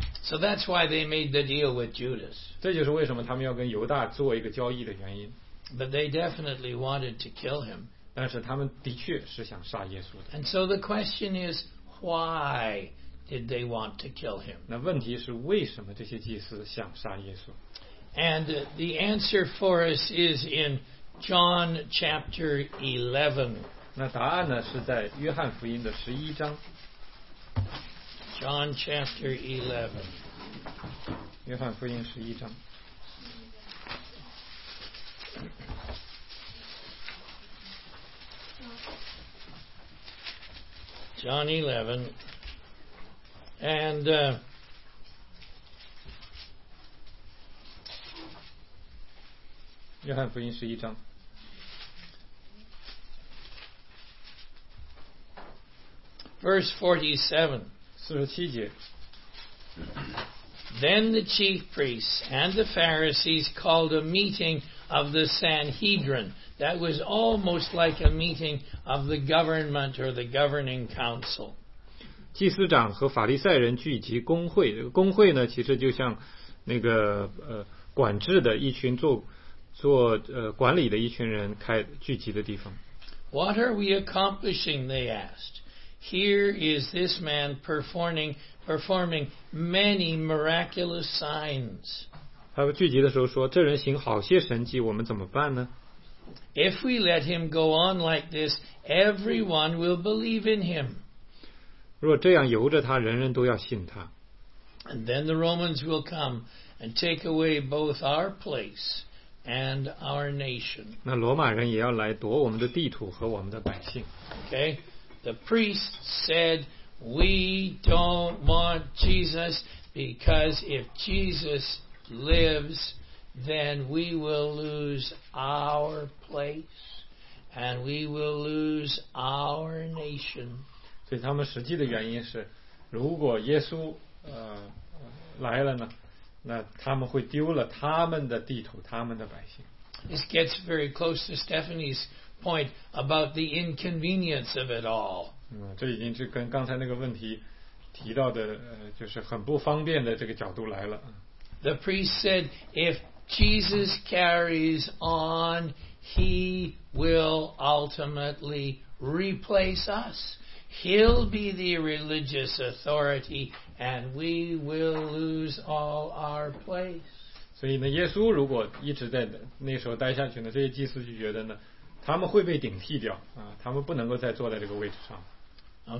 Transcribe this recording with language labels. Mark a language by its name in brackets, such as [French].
[English] So that's why they made the deal with Judas. [Chinese] 这就是为什么他们要跟犹大做一个交易的原因。 [English] But they definitely wanted to kill him. [Chinese] 但是他们的确是想杀耶稣的。 [English] And so the question is, why did they want to kill him? [Chinese] 那问题是为什么这些祭司想杀耶稣？ [English] And the answer for us is in John chapter 11. [Chinese] 那答案呢是在约翰福音的十一章。 [English] John chapter 11. [Chinese] 约翰福音十一章。 [English] John 11. And [Chinese] 约翰福音十一章。 [English] Verse 47. [Chinese] 47节 [English] Then the chief priests and the Pharisees called a meeting of the Sanhedrin. That was almost like a meeting of the government or the governing council. [Chinese] 祭司长和法利赛人聚集公会，公会呢，其实就像那个管制的一群做管理的一群人开聚集的地方。 [English] What are we accomplishing? They asked. Here is this man performing many miraculous signs. [Chinese] 他们聚集的时候说，这人行好些神迹，我们怎么办呢？ [English] If we let him go on like this, everyone will believe in him. [Chinese] 若这样由着他，人人都要信他。 [English] And then the Romans will come and take away both our place and our nation. [Chinese] 那罗马人也要来夺我们的地土和我们的百姓。 [English] Okay. The priest said, "We don't want Jesus because if Jesus lives, then we will lose our place and we will lose our nation." [Chinese] 所以他们实际的原因是，如果耶稣来了呢，那他们会丢了他们的地图，他们的百姓。 [English] This gets very close to Stephanie's. Point about the inconvenience of it all. [Chinese] 这已经是跟刚才那个问题提到的，就是很不方便的这个角度来了。 [English] The priest said, "If Jesus carries on, he will ultimately replace us. He'll be the religious authority, and we will lose all our place." [Chinese] 所以呢，耶稣如果一直在那时候待下去呢，这些祭司就觉得呢。他们会被顶替掉啊！他们不能够再坐在这个位置上。